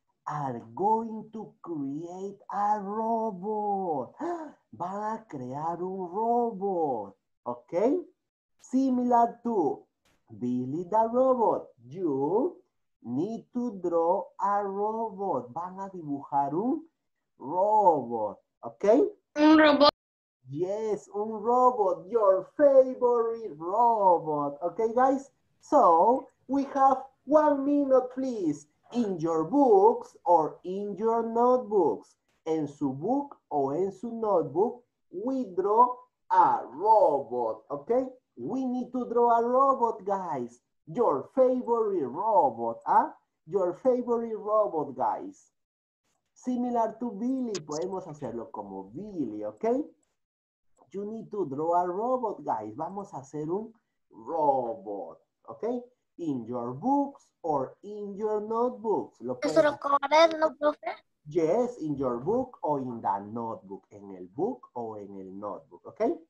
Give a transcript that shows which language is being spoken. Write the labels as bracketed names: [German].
[English] are going to create a robot. [Spanish] Van a crear un robot, ¿ok? [English] Similar to Billy the Robot, you need to draw a robot. [Spanish] Van a dibujar un robot, ¿ok? Un robot. [English] Yes, un robot, your favorite robot, ¿ok, guys? So, we have 1 minute, please, in your books or in your notebooks. [Spanish] En su book o en su notebook, [English] we draw a robot, ¿ok? We need to draw a robot, guys. Your favorite robot, ¿ah? Your favorite robot, guys. Similar to Billy, [Spanish] podemos hacerlo como Billy, ¿ok? [English] You need to draw a robot, guys. [Spanish] Vamos a hacer un robot, ¿ok? [English] In your books or in your notebooks. [Spanish] ¿Lo puedes hacer? ¿Eso lo cobraré, no, profe? [English] Yes, in your book or in the notebook. [Spanish] En el book o en el notebook, ¿ok?